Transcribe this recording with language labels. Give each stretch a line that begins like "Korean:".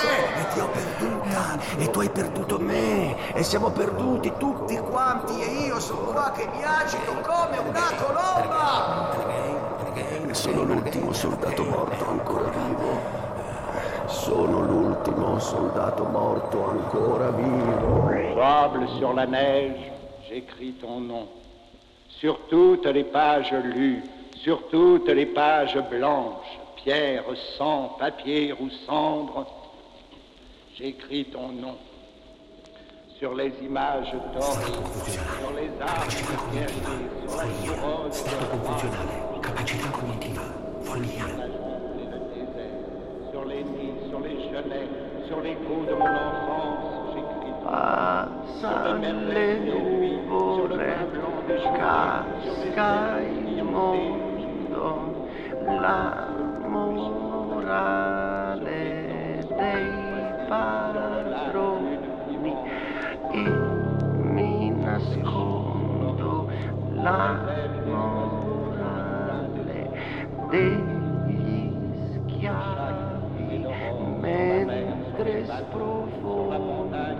Italian: E ti ho perduta! E tu hai perduto me! E siamo perduti tutti quanti! E io sono qua che mi agito come una colomba! Sono l'ultimo soldato morto ancora vivo. Sono l'ultimo soldato morto ancora vivo.
French: Sable sur la neige, j'écris ton nom. Sur toutes les pages lues, sur toutes les pages blanches, pierre, sang, papier ou cendre, j'écris ton nom. Sur les images torrides, sur les arbres, sur la corrosion.
Italian: Capacità cognitiva, follia. Ah, sulle nuvole casca il mondo, la morale dei padroni, e mi nascondo la morale degli schiavi, mentre sprofondo